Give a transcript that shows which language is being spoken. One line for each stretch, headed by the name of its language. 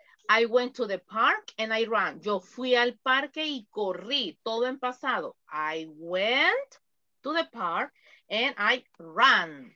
English: I went to the park and I ran.
Spanish: Yo fui al parque y corrí, todo en pasado.
English: I went to the park and I ran.